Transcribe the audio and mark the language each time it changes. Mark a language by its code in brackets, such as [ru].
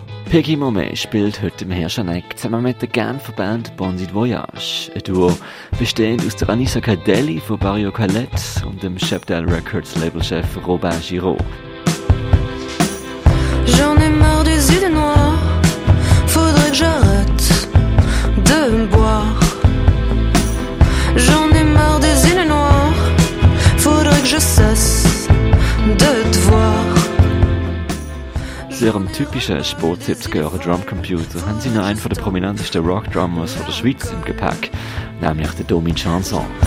[de] Peggy Momé spielt heute im Hirschaneck zusammen mit der Genfer Band Bonzi Voyage. Ein Duo bestehend aus der Anissa Cadelli von Barrio Colette und dem Chapdale Records Labelchef Robin Giraud. [fr] J'en ai marre des idées noires, faudrait que j'arrête de boire. J'en ai marre des idées noires, faudrait que je cesse de te voir. [de] Mit ihrem typischen Sport-70er Drumcomputer haben sie noch einen der prominentesten Rock-Drummers der Schweiz im Gepäck, nämlich den Domin Chanson.